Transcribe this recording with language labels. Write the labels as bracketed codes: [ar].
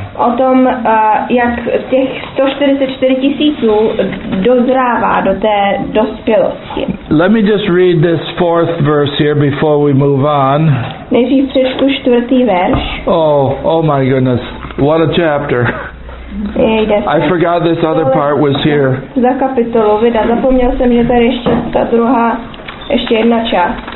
[cs] O tom, jak těch 144,000 dozrává do té dospělosti. [en] Let me just read this fourth verse here before we move on. [cs] Nejdřív přečtu čtvrtý verš. [en] Oh my goodness. What a chapter. I forgot this other part was here. [cs] Za kapitolu vydá. Zapomněl jsem, že tady ještě ta druhá, ještě jedna část.